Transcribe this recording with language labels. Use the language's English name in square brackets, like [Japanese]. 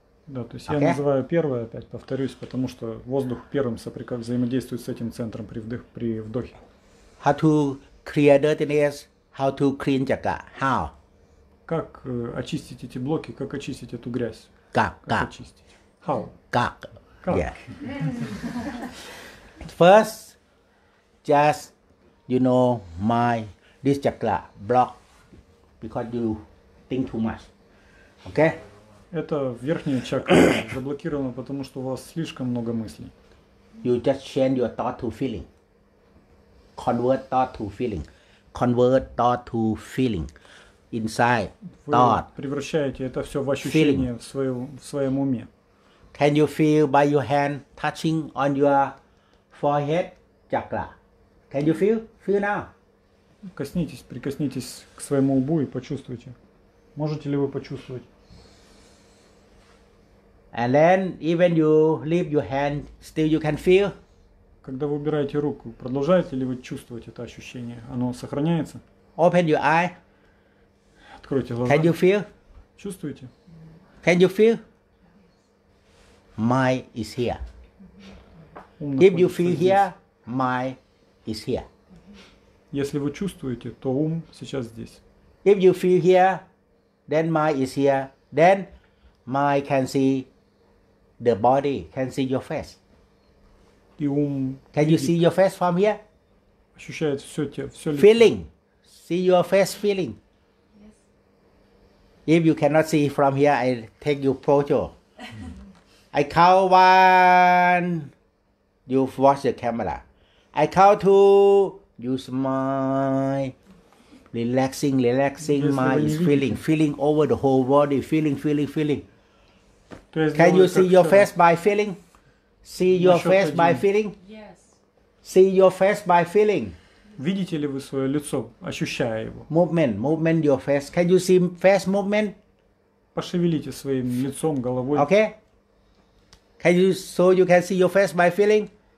[Russian] Да, то есть я называю первое, опять повторюсь, потому что воздух первым взаимодействует с этим центром при вдохе. [English] How to clear dirtiness, how to clean chakra, how? [Russian] Как очистить эти блоки, как очистить эту грязь? Как очистить? [English] How? [Russian] Как. [English] Yeah. First, just, you know, my, this chakra block, because you think too much. Okay? Это верхняя чакра заблокирована, потому что у вас слишком много мыслей. You just change your thought to feeling. Convert thought to feeling. Convert thought to feeling. Inside thought. [Russian] Вы превращаете это все в ощущение в своем уме. [English] Can you feel by your hand touching on your forehead chakra? Can you feel? Feel now. [Russian] Коснитесь, прикоснитесь к своему лбу и почувствуйте. Можете ли вы почувствовать? [English] And then, even you leave your hand, still you can feel. [Russian] Когда вы убираете руку, продолжаете ли вы чувствовать это ощущение? Оно сохраняется? [English] Open your eye. [Russian] Откройте глаза. [English] Can you feel? [Russian] Чувствуете? [English] Can you feel? My is here. If you feel [Russian] здесь. [English] Here, my is here. [Russian] Если вы чувствуете, то ум сейчас здесь. [English] If you feel here, then my is here. Then my can see. The body can see your face. Can you see your face from here? [Russian] Ощущает все лицо. [English] Feeling. See your face feeling. Yes. If you cannot see from here, I take your photo. I count one. You watch the camera. I count two. You smile. Relaxing, relaxing. Yes, mind is feeling. Feeling over the whole body. Feeling, feeling, feeling. Can you see your face by feeling? See your face by feeling? Yes. See your face by feeling? [Russian] Видите ли вы свое лицо, ощущая его? [English] Movement your face. Can you see face movement? [Russian] Пошевелите своим лицом, головой. [English] Okay. Can you so you can see your face by feeling?